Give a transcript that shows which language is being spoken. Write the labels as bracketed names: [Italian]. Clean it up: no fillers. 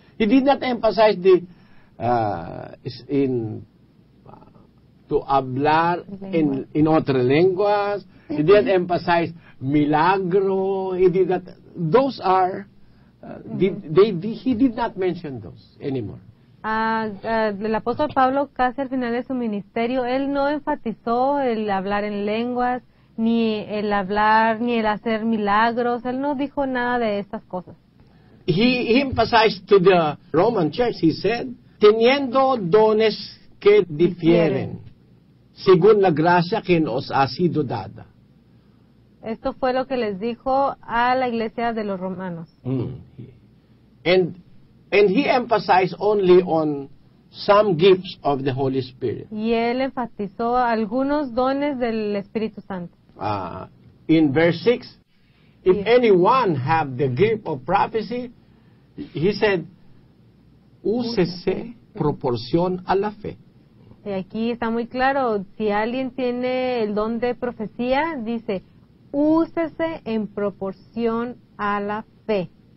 [English] He did not emphasize the to [Spanish] hablar [English] in [Spanish] otras lenguas. [English] He did not emphasize milagro. He did not. Those are he did not mention those anymore. [Spanish] El apóstol Pablo casi al final de su ministerio, él no enfatizó el hablar en lenguas, ni el hablar, ni el hacer milagros. Él no dijo nada de estas cosas. [English] He emphasized to the Roman church, he said, [Spanish] teniendo dones que difieren, según la gracia que nos ha sido dada. Esto fue lo que les dijo a la iglesia de los romanos. [English] And he emphasized only on some gifts of the Holy Spirit. [Spanish] Y él enfatizó algunos dones del Espíritu Santo. [English] In verse 6, if anyone have the gift of prophecy, he said, [Spanish] úsese proporción a la fe. Y aquí está muy claro, si alguien tiene el don de profecía, dice, úsese en proporción a la fe.